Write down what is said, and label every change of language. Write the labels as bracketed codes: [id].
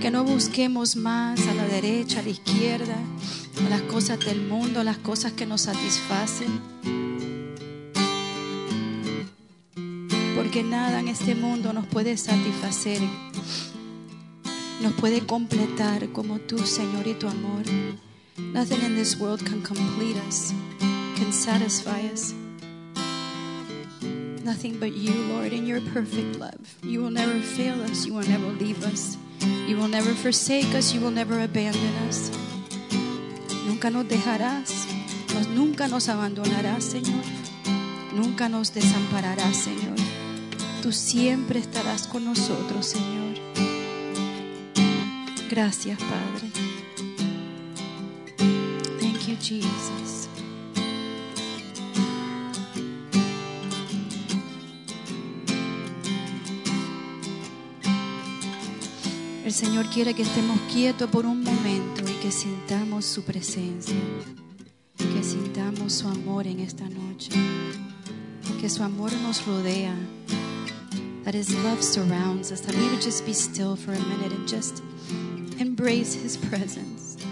[es] Que no busquemos más a la derecha, a la izquierda, a las cosas del mundo, a las cosas que nos satisfacen. Que nada en este mundo nos puede satisfacer, nos puede completar como tú, Señor, y tu amor. [en] Nothing in this world can complete us, can satisfy us. Nothing but you, Lord, in your perfect love. You will never fail us, you will never leave us. You will never forsake us, you will never abandon us. [es] Nunca nos dejarás, nunca nos abandonarás, Señor. Nunca nos desampararás, Señor. Tú siempre estarás con nosotros, Señor. Gracias, Padre. [en] Thank you, Jesus. [es] El Señor quiere que estemos quietos por un momento y que sintamos su presencia, que sintamos su amor en esta noche. Que su amor nos rodea. [en] That his love surrounds us. That we would just be still for a minute and just embrace his presence.